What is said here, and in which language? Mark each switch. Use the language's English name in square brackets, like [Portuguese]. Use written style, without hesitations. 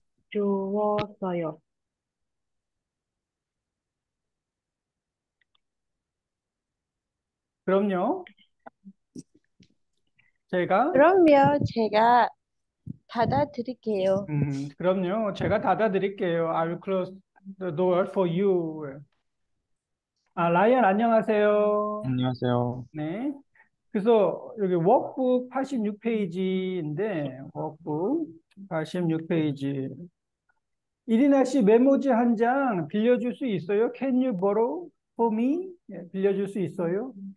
[Korean] 주웠어요. 그럼요. 제가 그러면 제가 받아들일게요. 그럼요. 제가 닫아드릴게요. [English] I will close the door for you. [Korean] 라이언, 안녕하세요. 안녕하세요. 네. 그래서 여기 워크북 86페이지인데, 워크북 86페이지. 이리나 씨 메모지 한장 빌려줄 수 있어요? [English] Can you borrow for me? [Korean] 빌려줄 수 있어요?